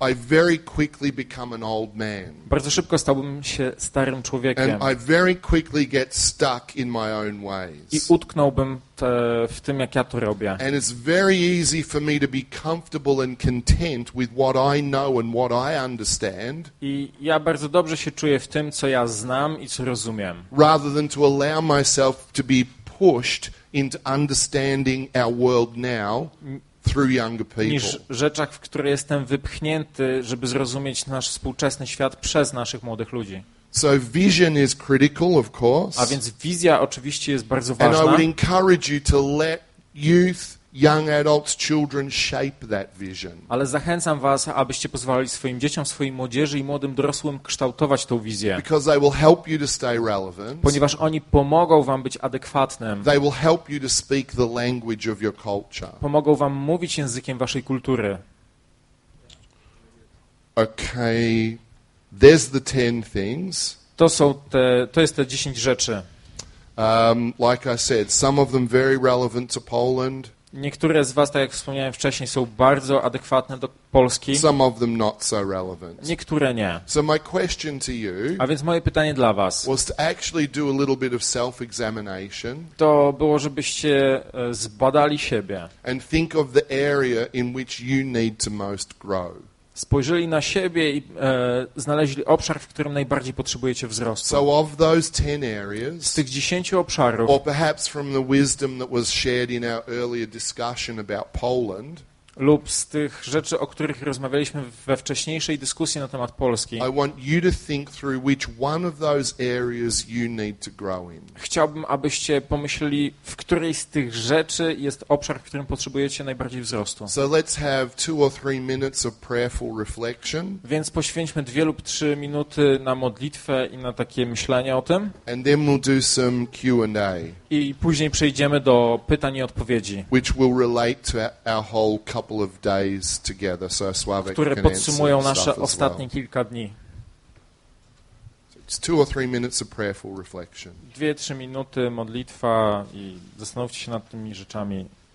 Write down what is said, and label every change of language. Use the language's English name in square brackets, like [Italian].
[English] I very quickly become an old man. [Polish] Bardzo szybko stałbym się starym człowiekiem. [English] And I very quickly get stuck in my own ways. [Polish] I utknąłbym w tym, jak ja to robię. [English] And it's very easy for me to be comfortable and content with what I know and what I understand. [Polish] I ja bardzo dobrze się czuję w tym, co ja znam i co rozumiem. [English] Rather than to allow myself to be pushed into understanding our world now through younger people. [Polish] Niż rzeczach, w które jestem wypchnięty, żeby zrozumieć nasz współczesny świat przez naszych młodych ludzi. [English] So vision is critical, of course. [Polish] A więc wizja oczywiście jest bardzo ważna. [English] And I would encourage you to let youth, young adults, children shape that vision. [Polish] Ale zachęcam was, abyście pozwalali swoim dzieciom, swojej młodzieży i młodym dorosłym kształtować tą wizję. [English] Because they will help you to stay relevant. [Polish] Ponieważ oni pomogą wam być adekwatnym. [English] They will help you to speak the language of your culture. [Polish] Pomogą wam mówić językiem waszej kultury. [English] Okay, there's the 10 things. [Polish] To jest te 10 rzeczy. [English] Like I said, some of them very relevant to Poland. [Polish] Niektóre z was, tak jak wspomniałem wcześniej, są bardzo adekwatne do Polski. [English] Some of them not so relevant. [Polish] Niektóre nie. [English] So my question to you, [Polish] a więc moje pytanie dla was, [English] was to actually do a little bit of self-examination. [Polish] To było, żebyście zbadali siebie. [English] And think of the area in which you need to most grow. [Polish] Spojrzeli na siebie i znaleźli obszar, w którym najbardziej potrzebujecie wzrostu. [English] So of those 10 areas, [Polish] z tych 10 obszarów, [English] or perhaps from the wisdom that was shared in our earlier discussion about Poland, [Polish] lub z tych rzeczy, o których rozmawialiśmy we wcześniejszej dyskusji na temat Polski, [English] I want you to think through which one of those areas you need to grow in. [Polish] Chciałbym, abyście pomyśleli, w której z tych rzeczy jest obszar, w którym potrzebujecie najbardziej wzrostu. [English] So let's have 2 or 3 minutes of prayerful reflection. [Polish] Więc poświęćmy 2 lub 3 minuty na modlitwę i na takie myślenie o tym. [English] And then we'll do some Q&A. [Polish] I później przejdziemy do pytań i odpowiedzi, [English] which will relate to our whole couple of days together, so Sławek, [Polish] które [English] can [Polish] podsumują nasze [English] stuff [Polish] ostatnie [English] as well. [Polish] Kilka dni. [English] It's 2 or 3 minutes of prayerful reflection. [Polish] 2-3 minuty modlitwa i zastanówcie się nad tymi rzeczami.